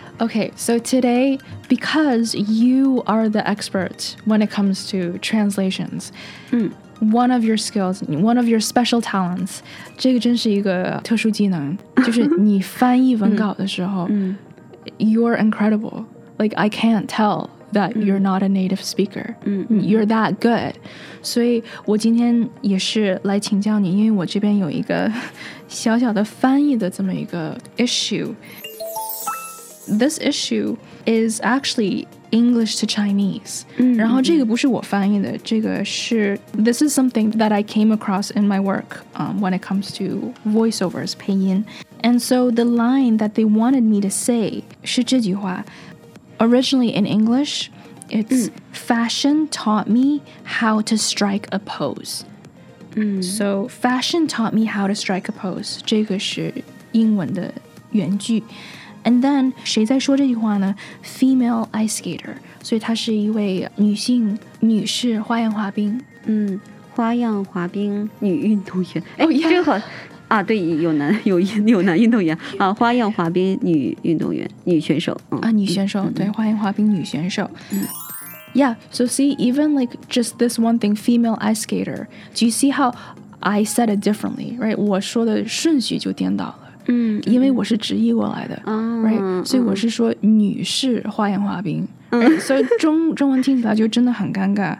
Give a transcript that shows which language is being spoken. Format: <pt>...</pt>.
<en>Okay, so today, because you are the expert when it comes to translations, one of your skills, one of your special talents,</en> <zh>这个真是一个特殊技能，就是你翻译文稿的时候</zh> <en>you're incredible. Like, I can't tell that you're not a native speaker. You're that good.</en> <zh>所以我今天也是来请教你，因为我这边有一个小小的翻译的这么一个 issue.</zh> <en>This issue is actually... English to Chinese.</en> <zh>然后这个不是我翻译的，这个是</zh> <en>This is something that I came across in my work、when it comes to voiceovers,</en> <zh>配音</zh> <en>And so the line that they wanted me to say</en> <zh>是这句话</zh> <en>Originally in English, it's、Fashion taught me how to strike a pose. So fashion taught me how to strike a pose.</en> <zh>这个是英文的原句</zh> <en>And then,</en> <zh>谁在说这句话呢?</zh> <en>Female ice skater.</en> <zh>所以她是一位女性女士花样滑冰。花样滑冰女运动员。这个好。啊对有男运动员。啊花样滑冰女运动员女选手。女选手对花样滑冰女选手。</zh> <en>Yeah, so see, even like just this one thing, female ice skater, do you see how I said it differently, right?</en> <zh>我说的顺序就颠倒了。因为我是直译过来的、所以我是说女士花样滑冰、所以中文听起来就真的很尴尬</zh>